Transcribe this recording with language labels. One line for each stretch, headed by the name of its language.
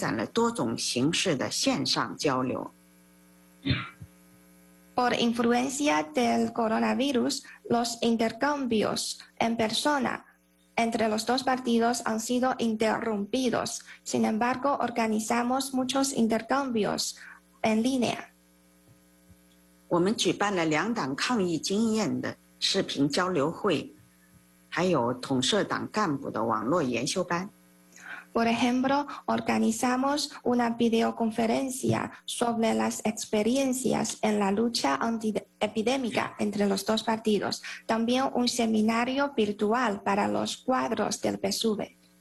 Chinese: 受疫情的影响，我们两党面对面的交流暂时受阻，但是我们开展了多种形式的线上交流。
Spanish: Por influencia del coronavirus, los intercambios en persona entre los dos partidos han sido interrumpidos. Sin embargo, organizamos muchos intercambios en línea.
Chinese: 我们举办了两党抗疫经验的视频交流会，还有同社党干部的网络研修班。
Spanish: Por ejemplo, organizamos una videoconferencia sobre las experiencias en la lucha antiepidémica entre los dos partidos. También un seminario virtual para los cuadros del PSUV.